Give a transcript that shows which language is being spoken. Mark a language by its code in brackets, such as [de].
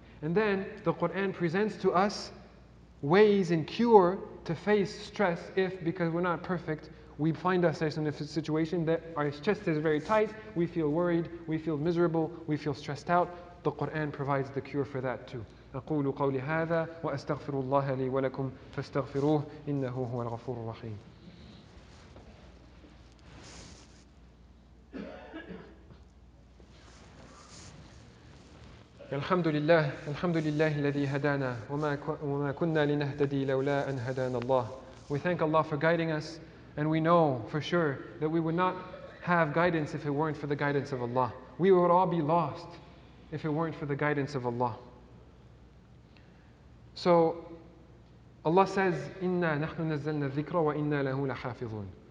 [en] And then the Qur'an presents to us ways and cure to face stress if, because we're not perfect, we find ourselves in a situation that our chest is very tight, we feel worried, we feel miserable, we feel stressed out. The Qur'an provides the cure for that too. [ar] أقول قولي هذا وأستغفر الله لي ولكم فاستغفروه إنه هو الغفور الرحيم. الحمد لله الذي هدانا وما كنا لنهتدي لولا أن هدانا الله. [en] We thank Allah for guiding us, and we know for sure that we would not have guidance if it weren't for the guidance of Allah. We would all be lost if it weren't for the guidance of Allah. So Allah says, [ar] إِنَّا نَحْنُ نَزَّلْنَا الذِّكْرَ وَإِنَّا لَهُ لَحَافِظُونَ.